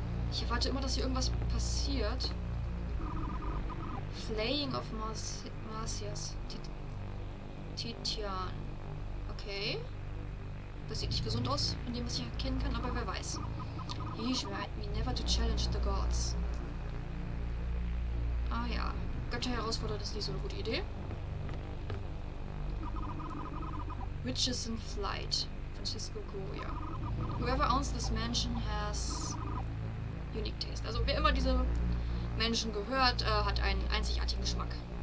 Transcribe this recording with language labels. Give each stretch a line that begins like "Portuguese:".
German: Ich erwarte immer, dass hier irgendwas passiert. Flaying of Marcias. Titian. Okay. Das sieht nicht gesund aus, von dem, was ich erkennen kann, aber wer weiß.
English: He swore me never to challenge the gods.
German: Ah ja. Götter herausfordert ist nicht so eine gute Idee.
English: Witches in Flight. Francisco Goya. Whoever owns this mansion has unique taste.
German: Also wer immer diese Menschen gehört, hat einen einzigartigen Geschmack.